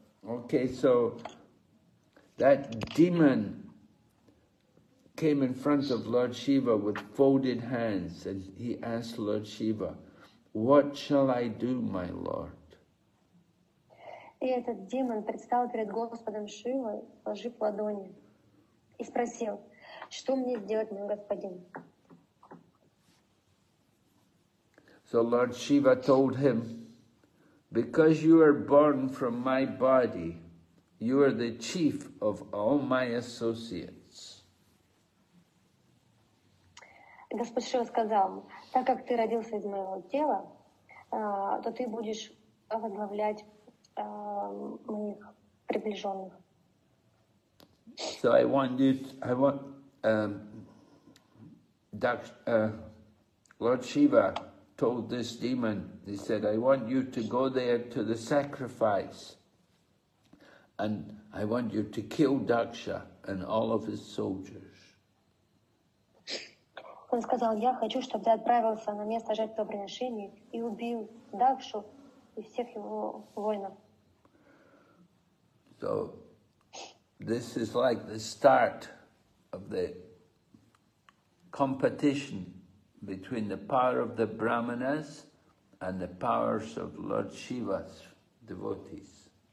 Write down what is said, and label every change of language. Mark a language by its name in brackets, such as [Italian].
[English] Okay, so that demon came in front of Lord Shiva with folded hands and he asked Lord Shiva, "What shall I do, my lord?" [Russian] И этот демон предстал перед Господом Шивой, сложив ладони, и спросил, Что мне сделать, мой господин? [English] So Lord Shiva told him, because you are born from my body, you are the chief of all my associates. [Russian] Господь Шива сказал, так как ты родился из моего тела, то ты будешь возглавлять моих приближенных. [English] So Lord Shiva told this demon, he said, I want you to go there to the sacrifice and I want you to kill Daksha and all of his soldiers. [Russian] Он сказал, я хочу, чтобы ты отправился на место жертвоприношения и убил Дакшу и всех его воинов. [English] So, this is like the start of the competition between the power of the brahmanas and the powers of Lord Shiva's devotees.